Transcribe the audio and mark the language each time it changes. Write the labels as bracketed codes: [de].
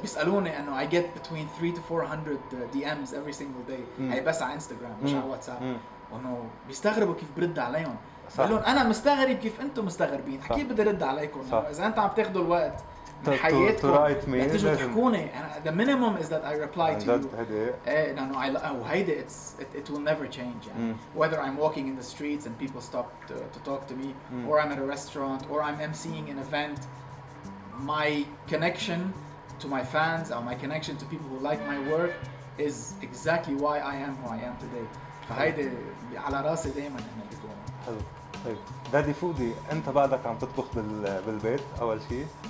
[ar] بيسالوني انه [en] I get between 3 to 400 DMs every single day [ar] هي بس على انستغرام مش على واتساب انه بيستغربوا كيف برد عليهم بقول لهم انا مستغرب كيف انتم مستغربين اكيد بدي رد عليكم اذا انت عم تاخذوا الوقت حياتكم تيجوا تحكوني [en] the minimum is that I reply to you no I hide it it will never change [ar] يعني. [en] Whether I'm walking in the streets and people stop to talk to me or I'm at a restaurant or I'm emceeing an event my connection to my fans or my connection to people who like my work is exactly why I am who I am today [ar] فهيدي على راسي دائما انا بتقول حلو طيب دادي فودي انت بعدك عم تطبخ بالبيت اول شيء